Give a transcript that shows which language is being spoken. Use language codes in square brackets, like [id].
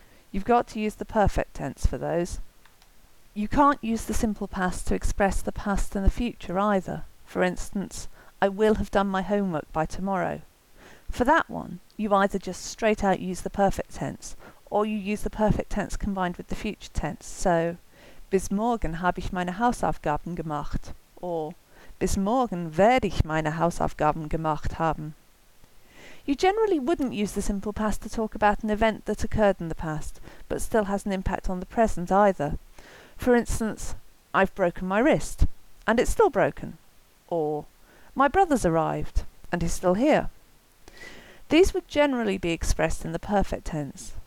[en] You've got to use the perfect tense for those. You can't use the simple past to express the past and the future either. For instance, I will have done my homework by tomorrow. For that one, you either just straight out use the perfect tense, or you use the perfect tense combined with the future tense. [de] So, bis morgen habe ich meine Hausaufgaben gemacht, or bis morgen werde ich meine Hausaufgaben gemacht haben. [en] You generally wouldn't use the simple past to talk about an event that occurred in the past, but still has an impact on the present either. For instance, I've broken my wrist, and it's still broken. Or, my brother's arrived, and he's still here. These would generally be expressed in the perfect tense.